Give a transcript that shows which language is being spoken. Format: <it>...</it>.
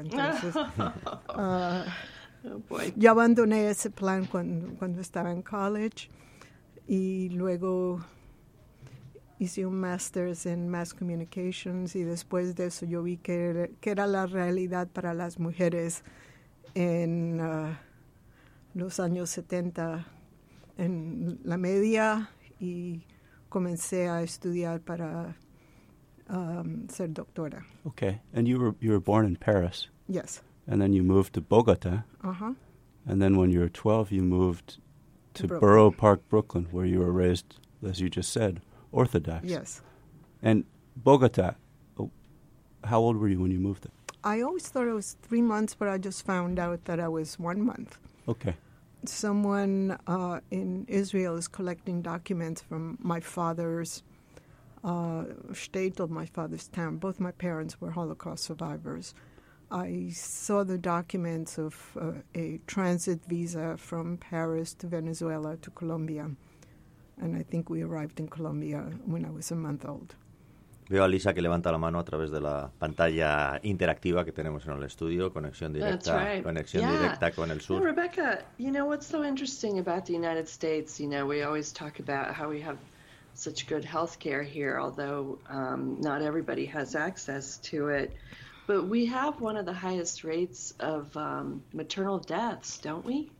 <es>Entonces, yo abandoné ese plan cuando estaba en college y luego hice un master's en mass communications y después de eso yo vi que era la realidad para las mujeres en los años 70 en la media y comencé a estudiar para ser doctora.</es> <en>Okay, and you were born in Paris. Yes. And then you moved to Bogota. Uh-huh. And then when you were 12, you moved to Borough Park, Brooklyn, where you were raised, as you just said, Orthodox. Yes. And Bogota, how old were you when you moved there? I always thought it was 3 months, but I just found out that I was 1 month. Okay. Someone in Israel is collecting documents from my father's shtetl, my father's town. Both my parents were Holocaust survivors. I saw the documents of a transit visa from Paris to Venezuela to Colombia. And I think we arrived in Colombia when I was a month old.</en> <es>Veo a Lisa que levanta la mano a través de la pantalla interactiva que tenemos en el estudio, conexión directa con el sur.</es> <en>Yeah, Rebecca, you know what's so interesting about the United States? You know, we always talk about how we have such good health care here, although not everybody has access to it. But we have one of the highest rates of maternal deaths, don't we?</en>